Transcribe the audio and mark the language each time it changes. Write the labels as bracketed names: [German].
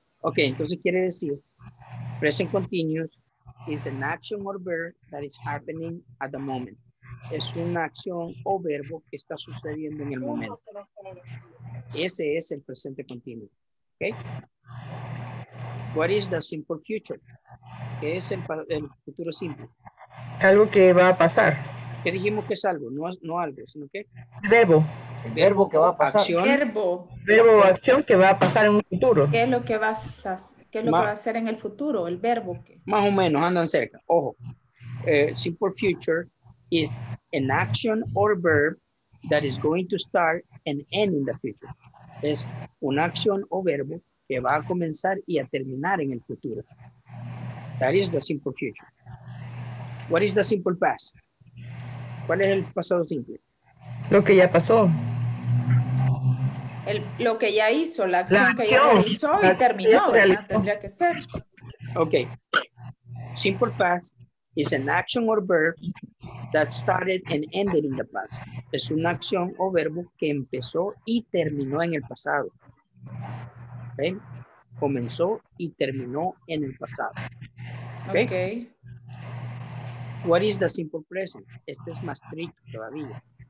[English] Ok, [Spanish] entonces quiere decir [English] present continuous is an action or verb that is happening at the moment. [Spanish] Es una acción o verbo que está sucediendo en el momento. Ese es el presente continuo. [English] Okay. What is the simple future? [Spanish] ¿Qué es el futuro simple? Algo que va a pasar. ¿Qué dijimos que es algo? No algo, sino que... Verbo. El verbo que va a pasar. Acción. Verbo. Verbo o acción que va a pasar en un futuro. ¿Qué es lo que vas a, qué es lo más, que va a hacer en el futuro? El verbo. Que... Más o menos, andan cerca. Ojo. Simple future... [English] is an action or verb that is going to start and end in the future. [Spanish] Es una acción o verbo que va a comenzar y a terminar en el futuro. [English] That is the simple future. What is the simple past? [Spanish] ¿Cuál es el pasado simple? Lo que ya pasó. Lo que ya hizo, la acción, que ya realizó y terminó, tendría que ser. [English] Okay. Simple past is an action or verb that started and ended in the past. [Spanish] Es una acción o verbo que empezó y terminó en el pasado. Okay? Comenzó y terminó en el pasado. [English] Okay? Okay. What is the simple present? [Spanish] Este es más tricky todavía.